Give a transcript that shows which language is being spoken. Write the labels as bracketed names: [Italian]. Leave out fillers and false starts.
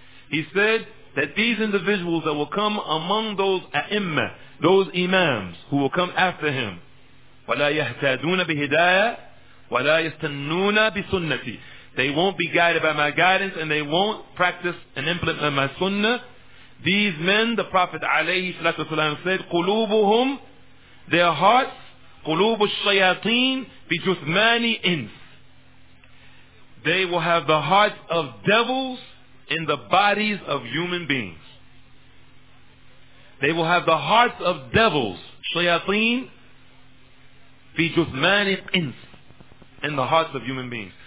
[English] He said that these individuals that will come among those a'immah, those imams who will come after him, [Arabic] وَلَا يَهْتَدُونَ بِهِدَايَةٍ, وَلَا يَسْتَنُّونَ بِسُنَّتِي. [English] They won't be guided by my guidance, and they won't practice and implement my sunnah. These men, the Prophet عليه الصلاة والسلام said, قُلُوبُهُمْ, their hearts, [Arabic] قُلُوبُ الشَّيَاطِينَ بِجُثْمَانِ إِنْسِ. [English] They will have the hearts of devils in the bodies of human beings. They will have the hearts of devils, shayateen, [Arabic] fi juthmani ins, [English] in the hearts of human beings.